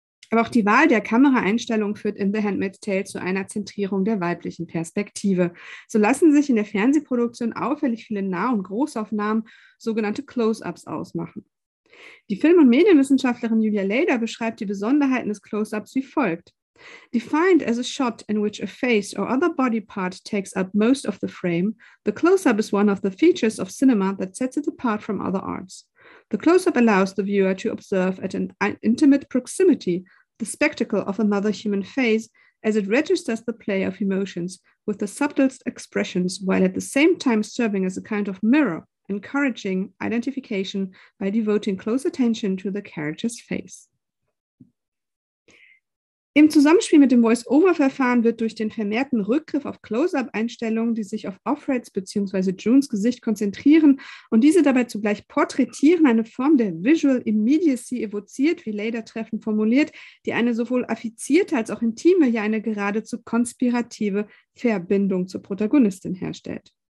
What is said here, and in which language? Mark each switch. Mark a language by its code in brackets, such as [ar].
[de] Aber auch die Wahl der Kameraeinstellung führt in The Handmaid's Tale zu einer Zentrierung der weiblichen Perspektive. So lassen sich in der Fernsehproduktion auffällig viele Nah- und Großaufnahmen, sogenannte Close-Ups, ausmachen. Die Film- und Medienwissenschaftlerin Julia Leder beschreibt die Besonderheiten des Close-Ups wie folgt. [en] Defined as a shot in which a face or other body part takes up most of the frame, the close-up is one of the features of cinema that sets it apart from other arts. The close-up allows the viewer to observe at an intimate proximity the spectacle of another human face as it registers the play of emotions with the subtlest expressions while at the same time serving as a kind of mirror, encouraging identification by devoting close attention to the character's face. [de] Im Zusammenspiel mit dem Voice-Over-Verfahren wird durch den vermehrten Rückgriff auf Close-Up-Einstellungen, die sich auf Offreds bzw. Junes Gesicht konzentrieren und diese dabei zugleich porträtieren, eine Form der Visual Immediacy evoziert, wie Leder treffend formuliert, die eine sowohl affizierte als auch intime, ja eine geradezu konspirative Verbindung zur Protagonistin herstellt.